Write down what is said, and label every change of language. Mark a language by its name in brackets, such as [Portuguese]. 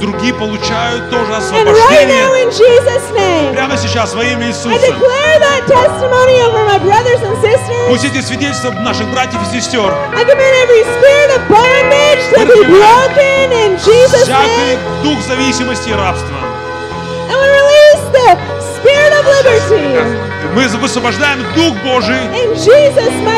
[Russian] Другие получают тоже освобождение. [English] And right now, in Jesus' name, [Russian] прямо сейчас во имя Иисуса. [English] I declare that testimony over my brothers and sisters. [Russian] Пусть эти свидетельства наших братьев и сестер. [English] I command every spirit of bondage to be broken in Jesus' name. [Russian] Всякий дух зависимости и рабства. [English] And we release the spirit of liberty. [Russian] Мы высвобождаем Дух Божий [English] in Jesus, my